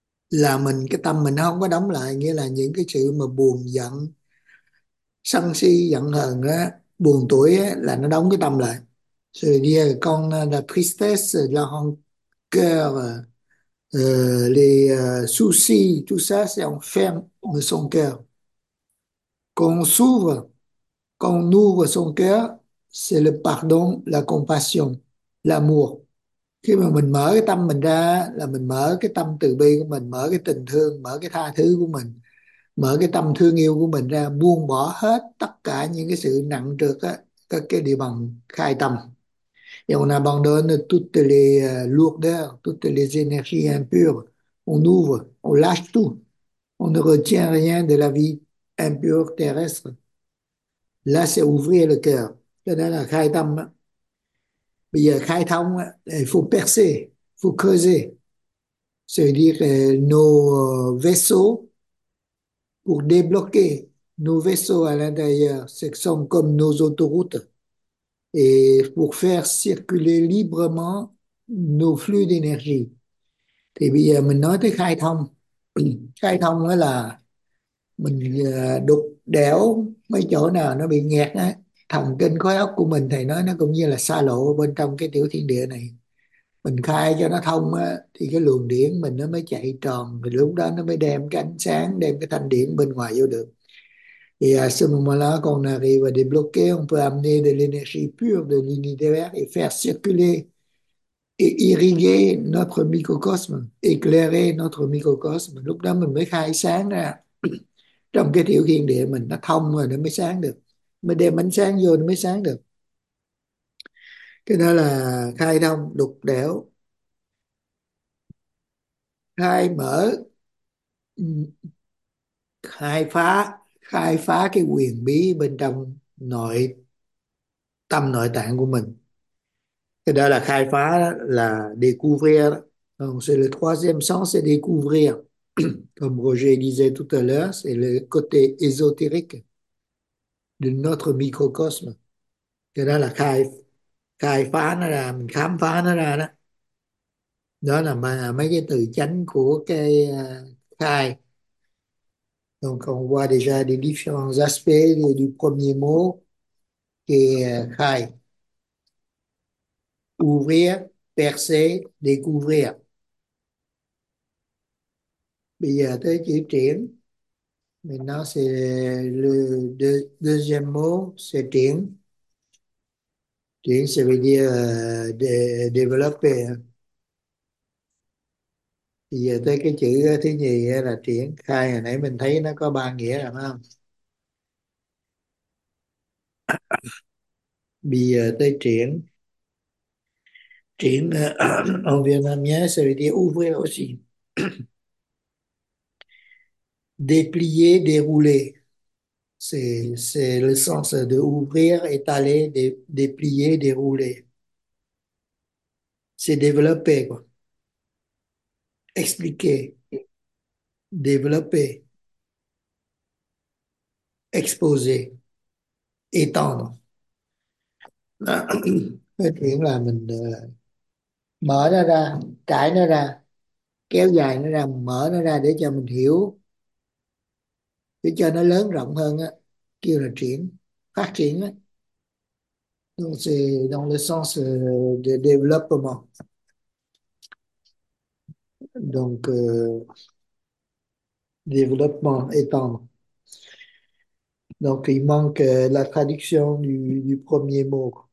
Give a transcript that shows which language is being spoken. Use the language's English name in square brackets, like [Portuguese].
[Vietnamese] Là mình, cái tâm mình không có đóng lại, nghĩa là những cái sự mà buồn, giận, sân si, giận hờn á, buồn tủi á, là nó đóng cái tâm lại. Rồi đi con là [French] tristesse, là con cœur, les soucis, tout ça, c'est on ferme son cœur. Quand on ouvre son cœur, c'est le pardon, la compassion, l'amour. [Vietnamese] Khi mà mình mở cái tâm mình ra là mình mở cái tâm từ bi của mình, mở cái tình thương, mở cái tha thứ của mình, mở cái tâm thương yêu của mình ra, buông bỏ hết tất cả những cái sự nặng trược á, các cái điều bằng khai tâm. [French] Yon abbandonne tutte le lourdeurs, toutes les énergies impures, on ouvre, on lâche tout, on ne retient rien de la vie impure terrestre. Là c'est ouvrir le cœur, [Vietnamese] cho nên là khai tâm á. Bây giờ khai thông á, [French] il faut percer, faut creuser. C'est-à-dire nos vaisseaux pour débloquer nos vaisseaux à l'intérieur, ce sont comme nos autoroutes. Et pour faire circuler librement nos flux d'énergie. [Vietnamese] Thì bây giờ mình nói tới khai thông. Khai thông đó là mình đục đẽo mấy chỗ nào nó bị nghẹt á, thần kinh khối óc của mình, thầy nói nó cũng như là xa lộ bên trong cái tiểu thiên địa này, mình khai cho nó thông á, thì cái luồng điển mình nó mới chạy tròn, thì lúc đó nó mới đem cái ánh sáng, đem cái thanh điển bên ngoài vô được. [French] Et à ce moment-là, quand on arrive à débloquer, on peut amener de l'énergie pure de l'univers et faire circuler et irriguer notre microcosme, éclairer notre microcosme. [Vietnamese] Lúc đó mình mới khai sáng ra trong cái tiểu thiên địa mình, nó thông rồi nó mới sáng được. Mình đem ánh sáng vô nó mới sáng được. Cái đó là khai thông, đục đẽo. Khai phá cái huyền bí bên trong nội tâm nội tạng của mình. Cái đó là khai phá, là [French] découvrir. Donc, c'est le troisième sens, c'est découvrir. Comme Roger disait tout à l'heure, c'est le côté ésotérique de notre microcosme. Cái đó là khai phá nó ra, mình khám phá nó ra đó. Đó là mấy cái từ chánh của cái khai. Donc, on voit déjà les différents aspects du premier mot qui est khai. Ouvrir, percer, découvrir. [Vietnamese] Bây giờ tới chữ triển. [French] Maintenant, c'est le deuxième mot, c'est triển. Triển, ça veut dire développer. [Vietnamese] Bây giờ tới cái chữ thứ nhì là triển khai, hồi nãy mình thấy nó có ba nghĩa rồi phải không? Bây giờ tới triển. Triển en Việt Nam nhé, [French] ça veut dire ouvrir aussi. Déplier, dérouler. C'est le sens de ouvrir, étaler, déplier, dérouler. C'est développer, quoi. Expliquer, développer, exposer, étendre. [Vietnamese] Là mình mở nó ra, trải nó ra, kéo dài nó ra, mở nó ra để cho mình hiểu, để cho nó lớn rộng hơn á, kêu là triển, phát triển á. [French] Donc c'est dans le sens de développement. Donc, développement, étendre. Donc, il manque la traduction du premier mot.